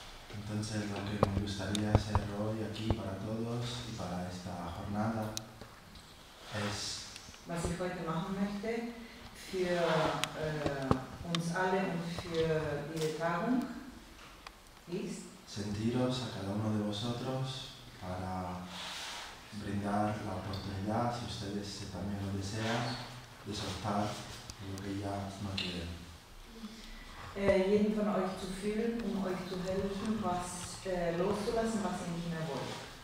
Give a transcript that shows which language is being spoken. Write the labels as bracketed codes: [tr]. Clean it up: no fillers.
[es] Entonces lo que me gustaría hacer hoy aquí para todos y para esta jornada es. [de] Was ich heute machen möchte für uns alle und für diese Tagung ist. [es] Sentiros a cada uno de vosotros para brindar la oportunidad, si ustedes también lo desean, de soltar lo que ya no quieren. [de] Jeden von euch zu fühlen, um euch zu helfen, was loszulassen, was ihr nicht mehr wollt.